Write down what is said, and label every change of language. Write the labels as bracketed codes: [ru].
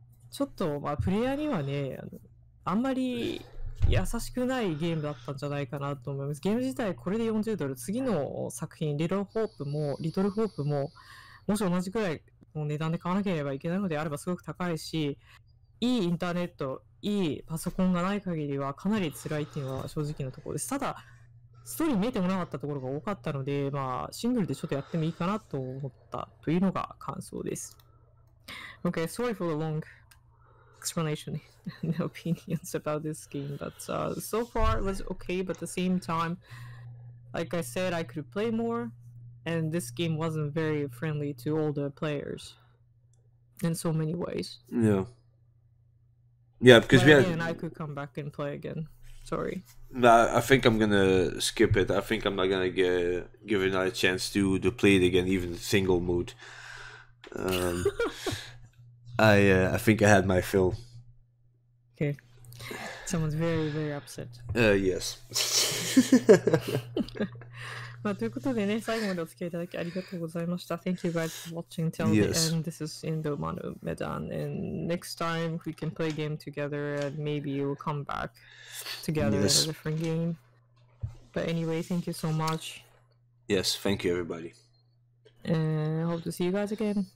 [ja] ちょっとまあプレイヤーにはね、あの、あんまり優しくないゲームだったんじゃないかなと思います。ゲーム自体これで40ドル、次の作品リトルホープもリトルホープももし同じくらいの値段で買わなければいけないのであればすごく高いし、いいインターネット、いいパソコンがない限りはかなり辛いっていうのは正直なところです。ただストーリー見えてもなかったところが多かったので、まあ、シングルでちょっとやってもいいかなと思ったというのが感想です。 [en] Okay, sorry for the long explanation and opinions about this game, but so far it was okay, but at the same time, like I said, I could play more, and this game wasn't very friendly to older players in so many ways. Yeah. Yeah, because but, and I could come back and play again. Sorry. Nah, I think I'm gonna skip it. I think I'm not gonna give it another chance to play it again, even single mode. I think I had my fill. Okay. Someone's very, very upset. Yes. [ja] まあ、ということでね、最後までお付き合いいただきありがとうございました。 [en] Thank you guys for watching till the end. This is Indomano Medan. And next time we can play a game together and maybe we'll come back together in a different game. But anyway, thank you so much. Yes, thank you everybody. And I hope to see you guys again.